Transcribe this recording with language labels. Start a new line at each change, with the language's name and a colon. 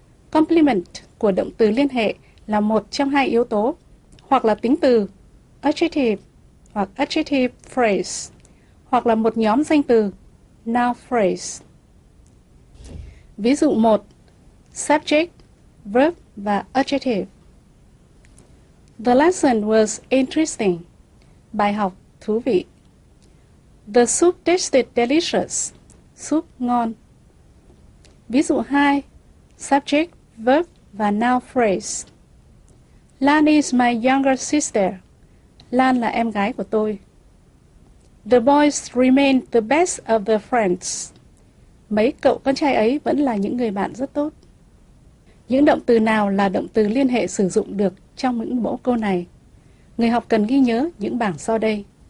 Vietnamese: Complement của động từ liên hệ là một trong hai yếu tố, hoặc là tính từ, adjective hoặc adjective phrase, hoặc là một nhóm danh từ, noun phrase. Ví dụ 1, subject, verb và adjective.
English: The lesson was interesting.
Vietnamese: Bài học thú vị.
English: The soup tasted delicious.
Vietnamese: Súp ngon. Ví dụ 2, subject, verb và noun phrase.
English: Lan is my younger sister.
Vietnamese: Lan là em gái của tôi.
English: The boys remain the best of the friends.
Vietnamese: Mấy cậu con trai ấy vẫn là những người bạn rất tốt. Những động từ nào là động từ liên hệ sử dụng được trong những mẫu câu này? Người học cần ghi nhớ những bảng sau đây.